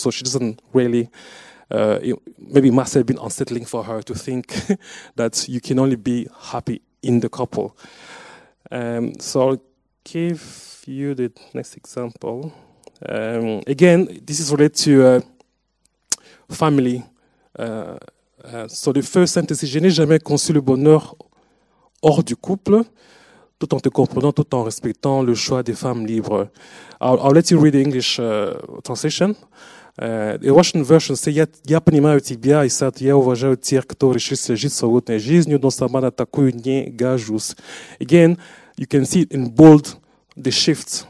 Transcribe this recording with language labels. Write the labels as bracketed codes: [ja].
[en] So she doesn't really, maybe it must have been unsettling for her to think that you can only be happy in the couple. So I'll give you the next example. Again, this is related to family So the first sentence is, [fr] je n'ai jamais conçu le bonheur hors du couple, tout en te comprenant, tout en respectant le choix des femmes libres. [en] I'll let you read the English translation. The Russian version says, [ru] я, я понимаю тебя, и сад, я уважаю тех, кто решился жить свободной жизнью, но сама на такую не гожусь. [en] Again, you can see it in bold, the shift.